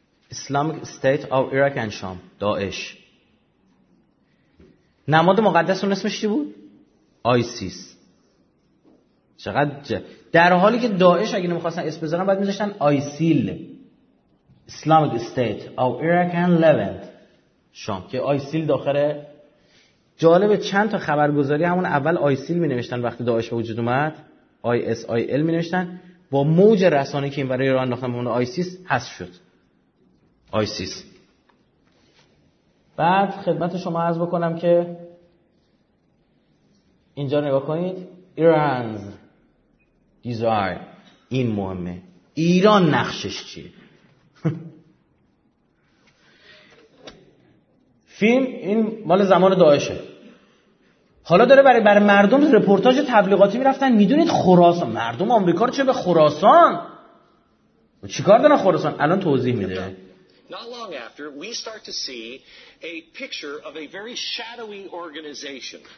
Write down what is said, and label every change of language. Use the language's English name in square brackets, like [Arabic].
[English] Islamic State of Iraq and Sham. داعش. [Persian] نماد مقدس اون اسمش چی بود؟ آیسیس. چقدر در حالی که داعش اگه نمیخواستن اسم بذارن باید میذاشتن آیسیل، اسلامیک استیت او ایرکن لیوند شام، که آیسیل داخله. جالبه چند تا خبرگزاری همون اول آیسیل مینوشتن وقتی داعش به وجود اومد، آی اس آی ال مینوشتن، با موج رسانه که این برای ایران انداختن اون آیسیس حذف شد آیسیس. بعد خدمت شما عرض بکنم که اینجا نگاه کنید، ایرانز دیزایر، این مهمه، ایران نقشش چیه؟ فیلم این مال زمان داعشه، حالا داره برای مردم رپورتاج تبلیغاتی میرفتن. میدونید خراسان، مردم آمریکا رو چه به خراسان و چی کار دارن خراسان؟ الان توضیح میده. [English] Not long after we start to see a picture of a very shadowy organization.